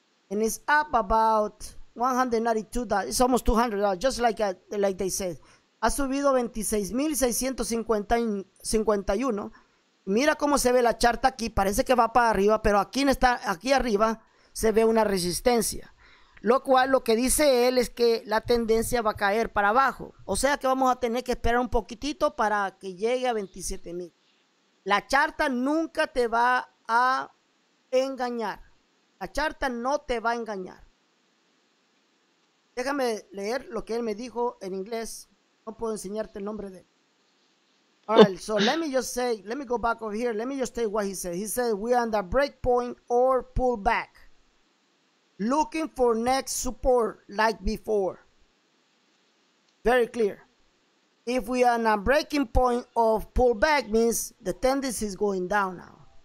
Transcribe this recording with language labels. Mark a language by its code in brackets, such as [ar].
[en] And it's up about 192, it's almost 200, just like they said. [es] Ha subido 26,651. Mira cómo se ve la charta aquí, parece que va para arriba, pero aquí arriba se ve una resistencia. Lo cual, lo que dice él es que la tendencia va a caer para abajo. O sea que vamos a tener que esperar un poquitito para que llegue a 27,000. La charta nunca te va a engañar. La charta no te va a engañar. Déjame leer lo que él me dijo en inglés. No puedo enseñarte el nombre de él. [en] All right, so let me go back over here. Let me just tell you what he said. He said, we are on the break point or pullback. Looking for next support like before. Very clear. If we are on a breaking point of pullback, means the tendency is going down now.